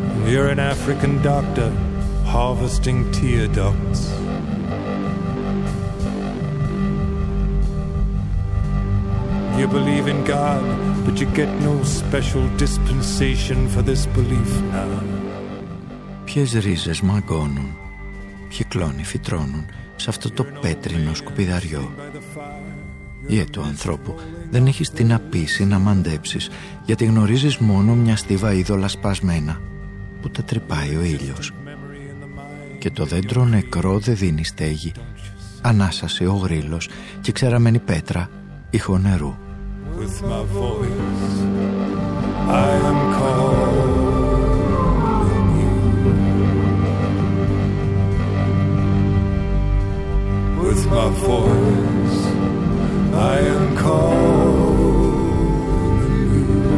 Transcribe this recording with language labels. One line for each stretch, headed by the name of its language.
English: You're an African doctor harvesting tear ducts. You believe in God, but you get no special dispensation for this belief now.
Greek: Ποιες ρίζες μαγκώνουν, ποιοι κλόνοι φυτρώνουν σε αυτό το πέτρινο σκουπιδαριό? Ιε του ανθρώπου, δεν έχεις τι να πεις ή να μαντέψεις, γιατί γνωρίζεις μόνο μια στίβα είδωλα σπασμένα που τα τρυπάει ο ήλιος. Και το δέντρο νεκρό δε δίνει στέγη, ανάσασε ο γρίλος και ξεραμένη πέτρα ήχο νερού.
English: With my voice, I am calling you. With my voice, I am calling you.